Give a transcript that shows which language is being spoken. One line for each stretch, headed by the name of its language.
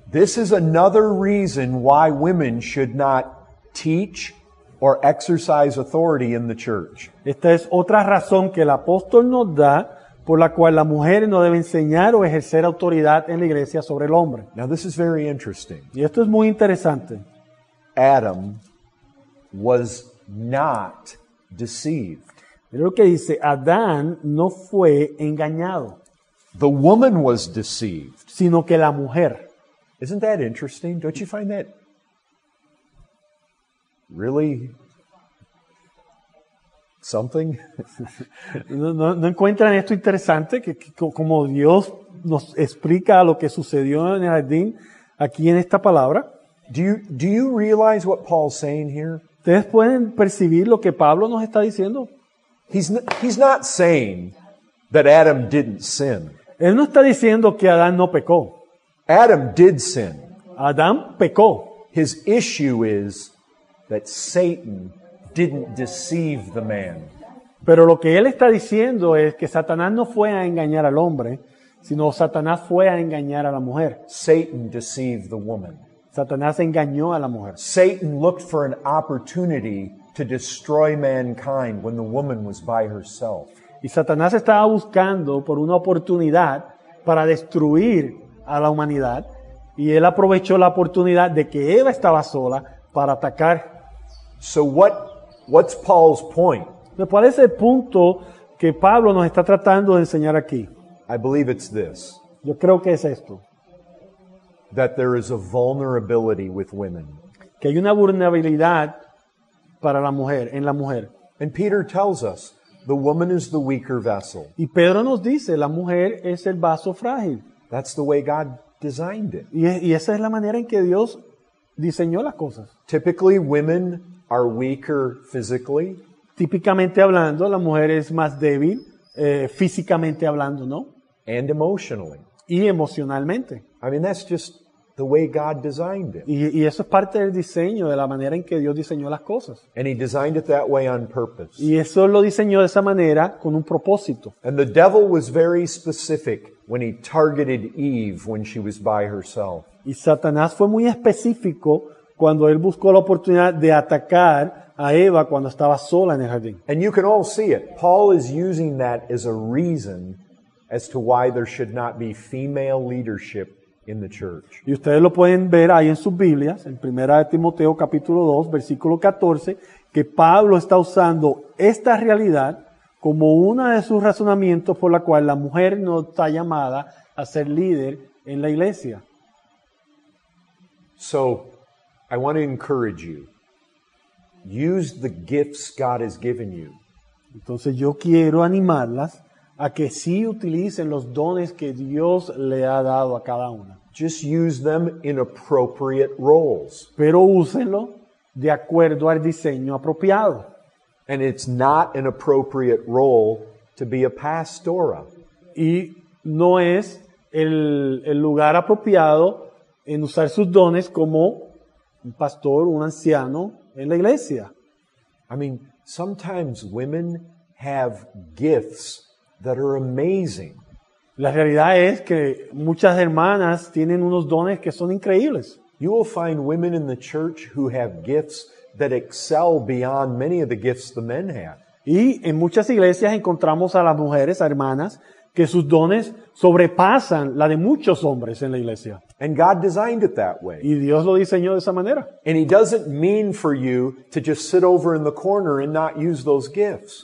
English: This is another reason why women should not teach or exercise authority in the church.
Spanish: Esta es otra razón que el apóstol nos da por la cual las mujeres no deben enseñar o ejercer autoridad en la iglesia sobre el hombre.
English: Now this is very interesting.
Spanish: Y esto es muy interesante.
English: Adam was not deceived.
Spanish: Mira lo que dice, Adán no fue engañado.
English: The woman was deceived.
Spanish: Sino que la mujer.
English: Isn't that interesting? Don't you find that really something?
Spanish: ¿No encuentran esto interesante? Que como Dios nos explica lo que sucedió en el jardín aquí en esta palabra.
English: Do you realize what Paul's saying here?
Spanish: ¿Ustedes pueden percibir lo que Pablo nos está diciendo?
English: He's not saying that Adam didn't sin.
Spanish: Él no está diciendo que Adán no pecó.
English: Adam did sin.
Spanish: Adán pecó.
English: His issue is that Satan didn't deceive the man.
Spanish: Pero lo que él está diciendo es que Satanás no fue a engañar al hombre, sino Satanás fue a engañar a la mujer.
English: Satan deceived the woman.
Spanish: Satanás engañó a la mujer.
English: Satan looked for an opportunity to destroy mankind when the woman was by herself.
Spanish: Y Satanás estaba buscando por una oportunidad para destruir a la humanidad, y él aprovechó la oportunidad de que Eva estaba sola para atacar.
English: So what's Paul's point?
Spanish: ¿Cuál es el punto que Pablo nos está tratando de enseñar aquí?
English: I believe it's this.
Spanish: Yo creo que es esto.
English: That there is a vulnerability with women.
Spanish: Que hay una vulnerabilidad para la mujer, en la mujer.
English: And Peter tells us, the woman is the weaker vessel.
Spanish: Y Pedro nos dice, la mujer es el vaso frágil.
English: That's the way God designed it.
Spanish: Y esa es la manera en que Dios diseñó las cosas.
English: Typically, women are weaker physically.
Spanish: Típicamente hablando, la mujer es más débil físicamente hablando, ¿no?
English: And emotionally.
Spanish: Y emocionalmente.
English: I mean, that's just the way God designed it.
Spanish: Y eso es parte del diseño, de la manera en que Dios diseñó las cosas.
English: And He designed it that way on purpose.
Spanish: Y eso lo diseñó de esa manera con un propósito.
English: And the devil was very specific when he targeted Eve when she was by herself.
Spanish: Y Satanás fue muy específico cuando él buscó la oportunidad de atacar a Eva cuando estaba sola en el jardín.
English: And you can all see it. Paul is using that as a reason as to why there should not be female leadership in the church.
Spanish: Y ustedes lo pueden ver ahí en sus Biblias, en 1 Timoteo capítulo 2, versículo 14, que Pablo está usando esta realidad como una de sus razonamientos por la cual la mujer no está llamada a ser líder en la iglesia.
English: So, I want to encourage you. Use the gifts God has given you.
Spanish: Entonces yo quiero animarlas a que sí utilicen los dones que Dios le ha dado a cada una.
English: Just use them in appropriate roles.
Spanish: Pero úsenlo de acuerdo al diseño apropiado.
English: And it's not an appropriate role to be a pastora.
Spanish: Y no es el lugar apropiado en usar sus dones como un pastor, un anciano en la iglesia.
English: I mean, sometimes women have gifts that are amazing.
Spanish: La realidad es que muchas hermanas tienen unos dones que son increíbles.
English: You will find women in the church who have gifts that excel beyond many of the gifts the men have.
Spanish: Y en muchas iglesias encontramos a las mujeres, a hermanas, que sus dones sobrepasan la de muchos hombres en la iglesia.
English: And God designed it that way.
Spanish: Y Dios lo diseñó de esa manera.
English: And he doesn't mean for you to just sit over in the corner and not use those gifts.